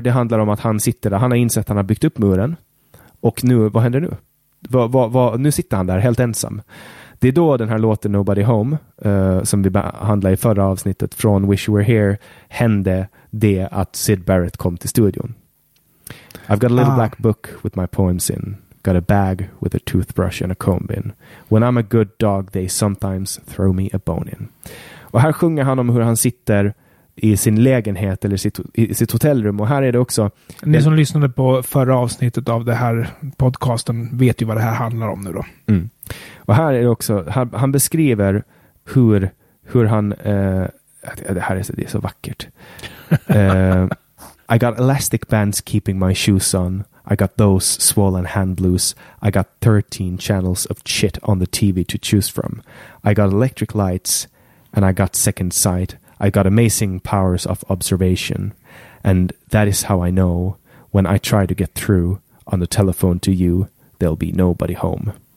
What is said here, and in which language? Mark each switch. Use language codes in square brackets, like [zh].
[sv] Det handlar om att han sitter där. Han har insett att han har byggt upp muren. Och nu, vad händer nu? Nu sitter han där helt ensam. Det är då den här låten Nobody Home, som vi behandlade i förra avsnittet från Wish You Were Here, hände det att Syd Barrett kom till studion. [en] I've got a little black book with my poems in. Got a bag with a toothbrush and a comb in. When I'm a good dog, they sometimes throw me a bone in. [sv] Och här sjunger han om hur han sitter i sin lägenhet eller i sitt hotellrum. Och här är det också... Ni som lyssnade på förra avsnittet av det här podcasten vet ju vad det här handlar om nu då. Mm. Och här är det också... Han beskriver hur han... det här är så vackert. [en] I got elastic bands keeping my shoes on. I got those swollen hand blues. I got 13 channels of shit on the TV to choose from. I got electric lights and I got second sight. I got amazing powers of observation. And that is how I know when I try to get through on the telephone to you, there'll be nobody home.